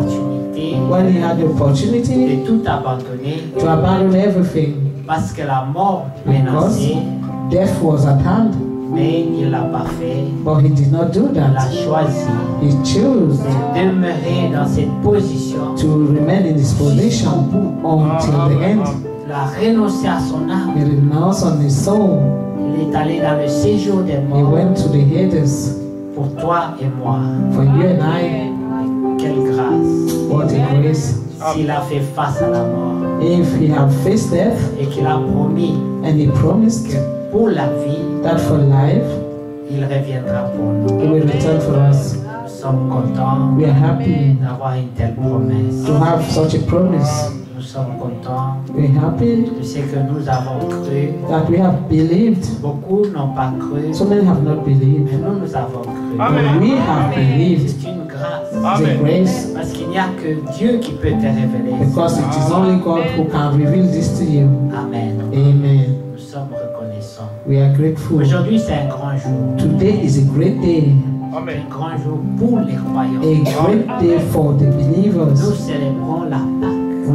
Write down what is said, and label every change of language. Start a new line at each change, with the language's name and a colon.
English: When he had the opportunity to abandon everything because death was at hand,
French: mais il l'a pas fait.
English: But he did not do that.
French: Il a choisi.
English: He chose
French: de demeurer dans cette position.
English: To remain in this position until the end.
French: Il a renoncé à son âme.
English: He renounced on his soul.
French: Il est allé dans le séjour des morts.
English: He went to the Hades.
French: Pour toi et moi.
English: For you and I.
French: Quelle grâce.
English: What a grace.
French: S'il a fait face à la mort.
English: If he had faced death.
French: Et qu'il a promis.
English: And he promised.
French: Que pour la vie.
English: That for life,
French: il reviendra pour nous.
English: He will return for us.
French: Nous sommes contents.
English: We are happy
French: d'avoir une telle promesse.
English: To have such a promise.
French: Nous sommes contents.
English: We are happy.
French: De ce que nous avons cru.
English: That we have believed.
French: Beaucoup n'ont pas cru.
English: So many have not believed.
French: Mais nous avons cru.
English: Amen. But we have believed. The grace.
French: Parce qu'il n'y a que Dieu qui peut te révéler.
English: Because it is only God who can reveal this to you. Amen. Amen.
French: Nous sommes reconnaissants.
English: We are grateful.
French: Aujourd'hui c'est un grand jour.
English: Today is a great day.
French: Amen. Un grand jour pour les croyants.
English: A great day for the believers.
French: Nous célébrons la Pâque.